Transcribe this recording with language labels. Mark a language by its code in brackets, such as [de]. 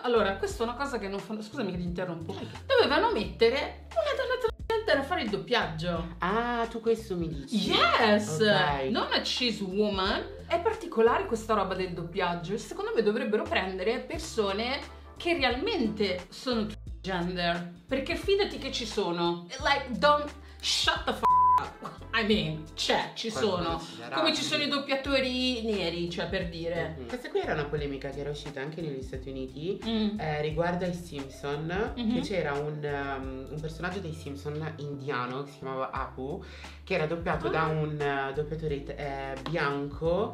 [it] Allora, questa è una cosa che non fanno... Scusami che ti interrompo. Dovevano mettere una donna a fare il doppiaggio. Ah, tu questo mi dici? [en] Yes! Okay. [it] Non [en] a cis woman. [it] È particolare questa roba del doppiaggio. Secondo me dovrebbero prendere persone che realmente sono gender. Perché fidati che ci sono. [en] Like, don't shut the fuck up. I mean, [it] c'è, ci sono. Come ci sono i doppiatori neri, cioè per dire. Mm-hmm. Questa qui era una polemica che era uscita anche negli Stati Uniti riguardo ai Simpson, che c'era un personaggio dei Simpson indiano che si chiamava Apu, che era doppiato da un doppiatore bianco